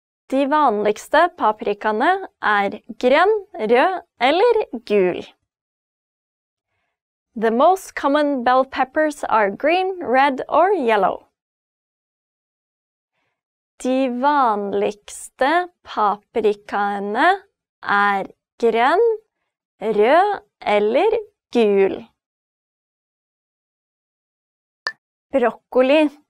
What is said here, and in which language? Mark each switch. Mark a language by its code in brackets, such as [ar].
[no] De vanligste paprikene grønn, rød eller gul. [en] The most common bell peppers are green, red or yellow. [no] De vanligste paprikene grønn, rød eller gul. Broccoli.